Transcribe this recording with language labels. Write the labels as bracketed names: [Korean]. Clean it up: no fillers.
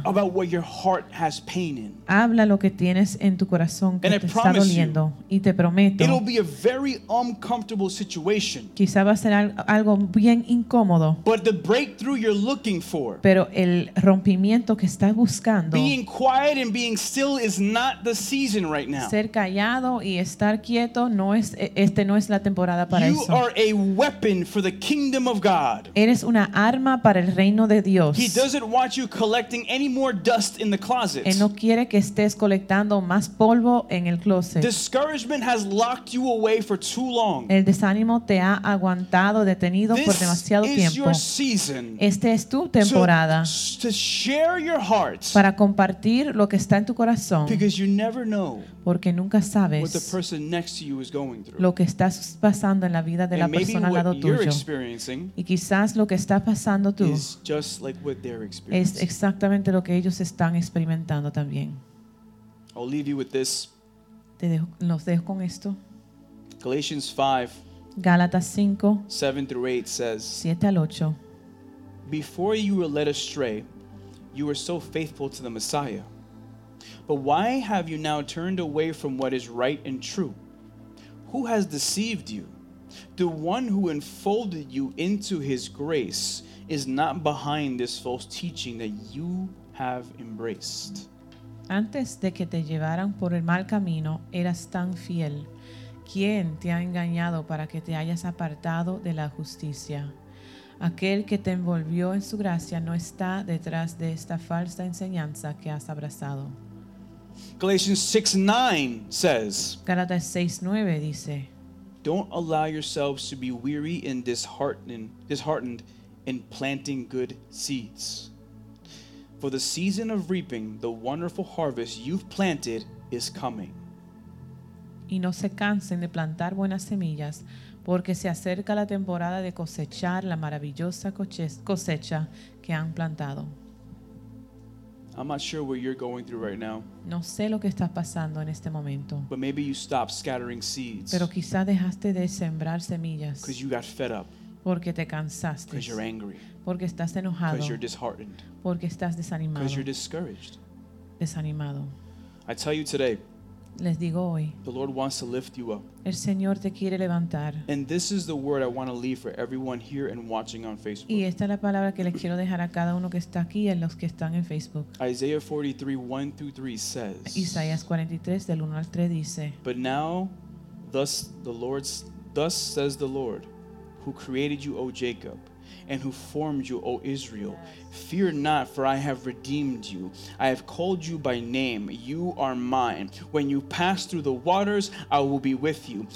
[English] Speak about what your heart has pain in. [Spanish] Habla lo que tienes en tu corazón que [English] and [Spanish] te [English] I [Spanish] está doliendo. Y te prometo, [English] it'll be a very uncomfortable situation. [Spanish] Quizá va a ser algo bien incómodo. [English] But the breakthrough you're looking for, [Spanish] pero el rompimiento que estás buscando. [English] Being quiet and being still is not the season right now. [Spanish] Ser callado y estar quieto no es este no es la temporada para [English] you [Spanish] eso. [English] You are a weapon for the kingdom of God. [Spanish] Eres una arma para el reino de Dios. [English] He doesn't want you collecting any more dust in the closet. [Spanish] Él no quiere que estés colectando más polvo en el closet. [English] Discouragement has locked you away for too long. [Spanish] El desánimo te ha aguantado detenido [English] this [Spanish] por demasiado [English] is [Spanish] tiempo. [English] Your season. [Spanish] Este es tu temporada. [English] To share your heart. [Spanish] Para compartir lo que está en tu corazón. [English] Because you never know. [Spanish] Porque nunca sabes [English] what the person next to you is going through. [Spanish] Lo que está pasando en la vida de [English] and [Spanish] la persona al lado [English] what [Spanish] tuyo. [English] You're experiencing [Spanish] y quizás lo que está pasando tú [English] is just like what they're experiencing. [Spanish] Es exactamente lo que ellos están experimentando también. [English] I'll leave you with this. [Spanish] Los dejo con esto. [English] Galatians 5, [Spanish] Gálatas 5, [English] 7 through 8 says, [Spanish] 7 al 8. [English] Before you were led astray, you were so faithful to the Messiah. But why have you now turned away from what is right and true? Who has deceived you? The one who enfolded you into his grace is not behind this false teaching that you have embraced. [Spanish] Antes de que te llevaran por el mal camino, eras tan fiel. ¿Quién te ha engañado para que te hayas apartado de la justicia? Aquel que te envolvió en su gracia no está detrás de esta falsa enseñanza que has abrazado. [English] Galatians 6:9 says, [Spanish] Galatas 6:9 dice, [English] don't allow yourselves to be weary and disheartened in planting good seeds. For the season of reaping, the wonderful harvest you've planted is coming. [Spanish] Y no se cansen de plantar buenas semillas, porque se acerca la temporada de cosechar la maravillosa cosecha que han plantado. [English] I'm not sure what you're going through right now. [Spanish] No sé lo que estás pasando en este momento. [English] But maybe you stopped scattering seeds. [Spanish] Pero quizá dejaste de sembrar semillas. [English] Because you got fed up. [Spanish] Porque te cansaste. [English] Because you're angry. [Spanish] Porque estás enojado. [English] Because you're disheartened. [Spanish] Porque estás desanimado. [English] Because you're discouraged. [Spanish] Desanimado. [English] I tell you today, [Spanish] Les digo hoy, [English] the Lord wants to lift you up. [Spanish] El Señor te quiere levantar. [English] And this is the word I want to leave for everyone here and watching on Facebook. [Spanish] Y esta es la palabra que les quiero dejar a cada uno que está aquí y a los que están en Facebook. [English] Isaiah 43, 1 through 3 says, [Spanish] Isaías 43, del 1 al 3 dice, [English] but now, thus says the Lord, who created you, O Jacob, and who formed you, O Israel. Fear not, for I have redeemed you. I have called you by name. You are mine. When you pass through the waters, I will be with you.